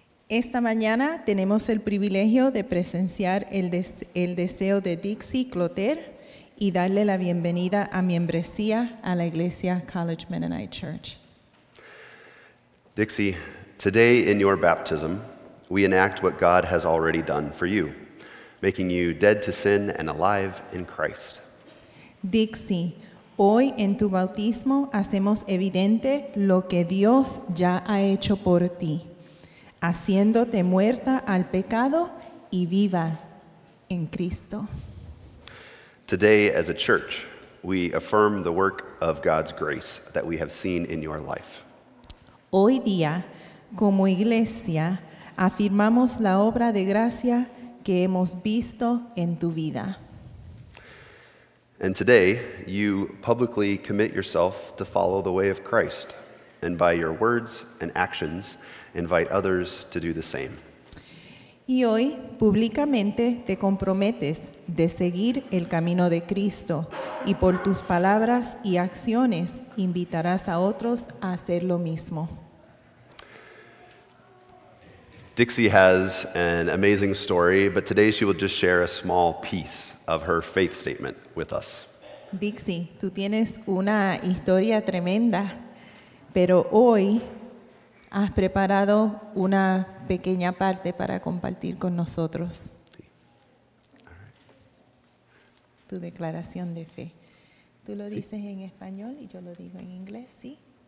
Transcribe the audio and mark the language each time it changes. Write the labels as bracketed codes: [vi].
[es] Esta mañana tenemos el privilegio de presenciar el deseo de Dixie Clotter y darle la bienvenida a membresía a la iglesia College Mennonite Church. [en] Dixie, today in your baptism, we enact what God has already done for you, making you dead to sin and alive in Christ. [es] Dixie, hoy en tu bautismo hacemos evidente lo que Dios ya ha hecho por ti, haciéndote muerta al pecado y viva en Cristo. [en] Today, as a church, we affirm the work of God's grace that we have seen in your life. [es] Hoy día, como iglesia, afirmamos la obra de gracia que hemos visto en tu vida. [en] And today, you publicly commit yourself to follow the way of Christ, and by your words and actions, invite others to do the same. [es] Y hoy, públicamente, te comprometes de seguir el camino de Cristo, y por tus palabras y acciones, invitarás a otros a hacer lo mismo. [en] Dixie has an amazing story, but today she will just share a small piece of her faith statement with us. [es] Dixie, tú tienes una historia tremenda, pero hoy has preparado una pequeña parte para compartir con nosotros. Tu declaración de fe. Tú lo dices en español y yo lo digo en inglés, ¿sí?